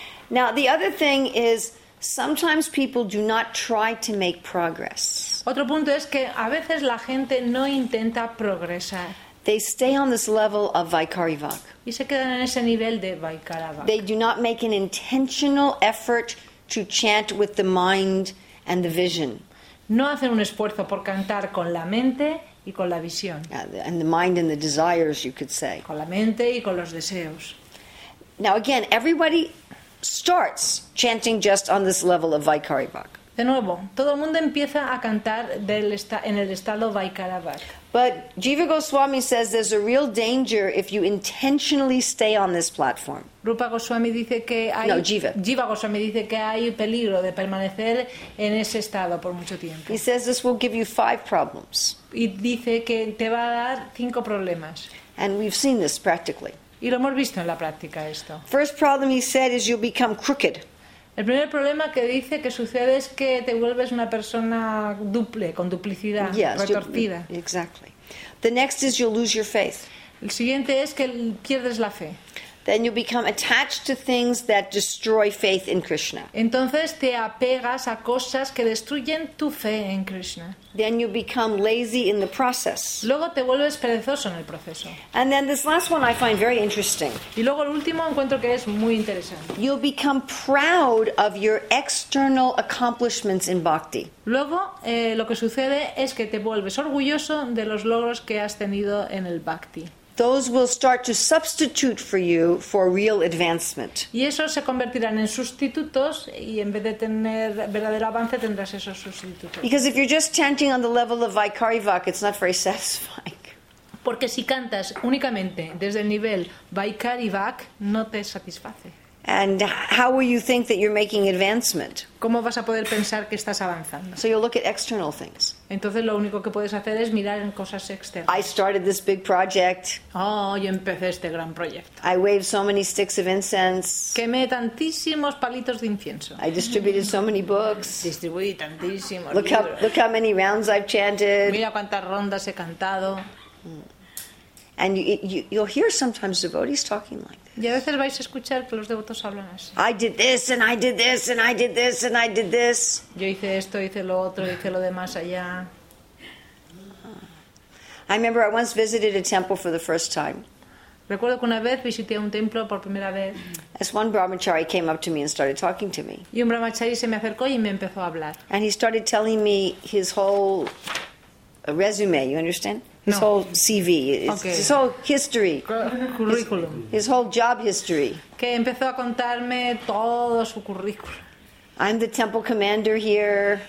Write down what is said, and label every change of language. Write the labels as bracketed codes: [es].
[en] Now the other thing is, sometimes people do not try to make progress. [es] Otro punto es que a veces la gente no intenta progresar. [en] They stay on this level of Vaikarivak. [es] Y se quedan en ese nivel de Vaikarivak. [en] They do not make an intentional effort to chant with the mind and the vision. [es] No hacen un esfuerzo por cantar con la mente y con la visión. [en] And the mind and the desires, you could say. [es] Con la mente y con los deseos. [en] Now again, everybody starts chanting just on this level of Vaikarivak. [es] De nuevo, todo el mundo empieza a cantar en el estado Vaikarivak. [en] But Jiva Goswami says there's a real danger if you intentionally stay on this platform. [es] Rupa Goswami dice que hay, no, Jiva. Jiva Goswami dice que hay peligro de permanecer en ese estado por mucho tiempo. [en] He says this will give you 5 problems. [es] Y dice que te va a dar 5 problemas. [en] And we've seen this practically. [es] Y lo hemos visto en la práctica esto. [en] First problem he said is you'll become crooked. [es] El primer problema que dice que sucede es que te vuelves una persona duple, con duplicidad, [en] yes, [es] retorcida. [en] Exactly. The next is you'll lose your faith. [es] El siguiente es que pierdes la fe. [en] then you become attached to things that destroy faith in Krishna. [es] Entonces te apegas a cosas que destruyen tu fe en Krishna. [en] Then you become lazy in the process. [es] Luego te vuelves perezoso en el proceso. [en] And then this last one I find very interesting. [es] Y luego el último encuentro que es muy interesante. [en] You become proud of your external accomplishments in bhakti. [es] Luego lo que sucede es que te vuelves orgulloso de los logros que has tenido en el bhakti. [en] Those will start to substitute for you for real advancement. [es] Y esos se convertirán en sustitutos, y en vez de tener verdadero avance tendrás esos sustitutos. [en] Because if you're just chanting on the level of Vaikari Vak, it's not very satisfying. [es] Porque si cantas únicamente desde el nivel Vaikari Vak, no te satisface. [en] And how will you think that you're making advancement? [es] ¿Cómo vas a poder pensar que estás avanzando? [en] So you'll look at external things. [es] Entonces lo único que puedes hacer es mirar en cosas externas. [en] I started this big project. [es] Oh, yo empecé este gran proyecto. [en] I waved so many sticks of incense. [es] Quemé tantísimos palitos de incienso. [en] I distributed so many books. [es] Distribuí tantísimos [en] look [es] libros. [en] Look how many rounds I've chanted. [es] Mira cuántas rondas he cantado. [en] And you'll hear sometimes devotees talking like, [es] y a veces vais a escuchar que los devotos hablan así. [en] I did this and I did this and I did this and I did this. [es] Yo hice esto, hice lo otro, hice lo demás allá. [en] I remember I once visited a temple for the first time. [es] Recuerdo que una vez visité un templo por primera vez. [en] As one brahmachari came up to me and started talking to me. [es] Y un brahmachari se me acercó y me empezó a hablar. [en] And he started telling me his whole resume, you understand? His no. whole CV, okay. His whole history, [es] curriculum. [en] His whole job history. [es] Que empezó a contarme todo su currículum. [en] I'm the temple commander here.